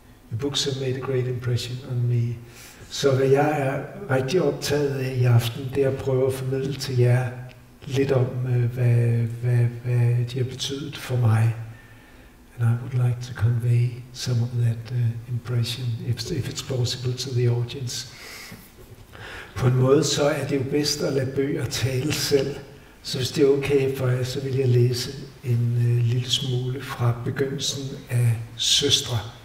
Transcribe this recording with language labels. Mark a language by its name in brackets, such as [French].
[English] The books have made a great impression on me. [Danish] Så hvad jeg er rigtig optaget af i aften, det er at prøve at formidle til jer lidt om, hvad de har betydet for mig. [English] And I would like to convey some of that impression, if it's possible, to the audience. [Danish] På en måde så er det jo bedst at lade bøger tale selv. Så hvis det er okay for jer, så vil jeg læse en lille smule fra begyndelsen af Søstre.